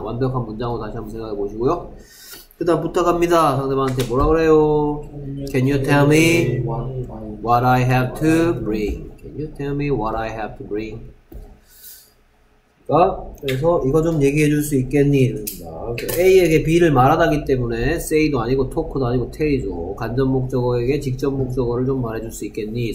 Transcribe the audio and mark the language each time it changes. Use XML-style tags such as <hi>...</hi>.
<ko>완벽한 문장으로 다시 한번 생각해 보시고요. 그다음 부탁합니다. 상대방한테 뭐라 그래요?</ko> <en>Can you tell me what I have to bring? Can you tell me what I have to bring?</en> <ko>그래서 이거 좀 얘기해 줄수 있겠니? A에게 B를 말하다기 때문에 say도 아니고 talk도 아니고 tell이죠. 간접 목적어에게 직접 목적어를 좀 말해 줄수 있겠니?</ko>